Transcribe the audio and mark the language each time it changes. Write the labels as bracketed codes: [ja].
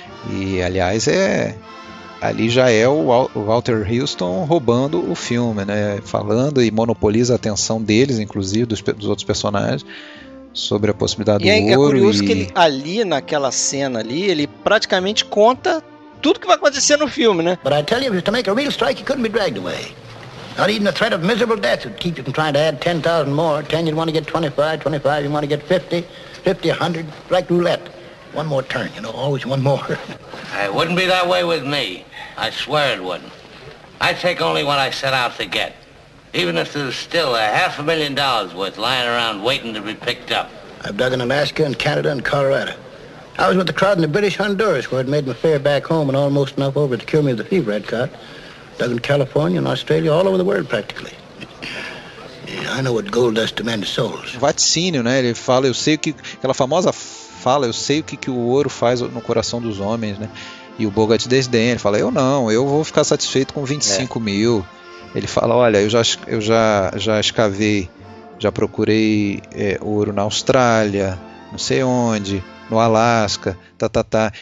[pt] E, aliás, ali já é o Walter Huston roubando o filme, né? Falando e monopoliza a atenção deles, inclusive, dos outros personagens, sobre a possibilidade do ouro. É curioso que ele, ali, naquela cena ali, ele praticamente conta tudo que vai acontecer no filme, né? [en] But I tell you, if you're to make a real strike, you couldn't be dragged away. Not even the threat of miserable death would keep you from trying to add 10,000 more. 10, you'd want to get 25, 25, you'd want to get 50, 50, 100, like roulette. One more turn, you know, always one more. It wouldn't be that way with me. I swear it wouldn't. I take only what I set out to get. Even if there's still $500,000 worth lying around waiting to be picked up. I've dug in Alaska and Canada and Colorado. I was with the crowd in the British Honduras where it made me fare back home and almost enough over to cure me of the fever I'd caught. Dug in California and Australia, all over the world practically. I know what gold does to men's souls. [pt] Vaticínio, né? Ele fala, eu sei o que... Aquela famosa fala, eu sei o que, que o ouro faz no coração dos homens, né? E o Bogart desdém, ele fala, eu não, eu vou ficar satisfeito com 25 mil. Ele fala, olha, eu já escavei, já procurei ouro na Austrália, não sei onde, no Alasca, tá.